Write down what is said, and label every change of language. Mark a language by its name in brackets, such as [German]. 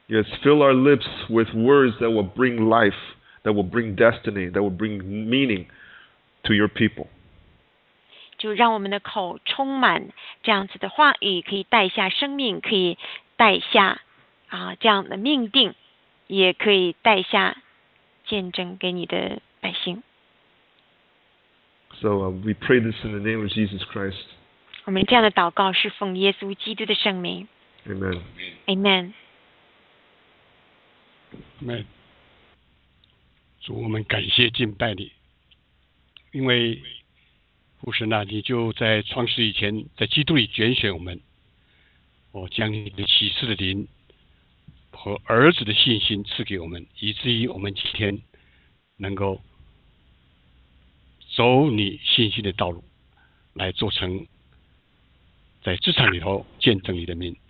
[English] Yes, fill our lips with words that will bring life, that will bring destiny, that will bring meaning to your people. [Chinese] 就让我们的口充满这样子的话语，可以带下生命，可以带下这样的命定，也可以带下见证给你的百姓。 [English] So we pray this in the name of Jesus Christ. [Chinese] 我们这样的祷告是奉耶稣基督的圣名。 [English] Amen. Amen. Amen. [Chinese] 主，我们感谢敬拜你，因为父神啊，你就在创世以前，在基督里拣选我们，我将你的启示的灵和儿子的信心赐给我们，以至于我们今天能够走你信心的道路，来做成在职场里头见证你的名。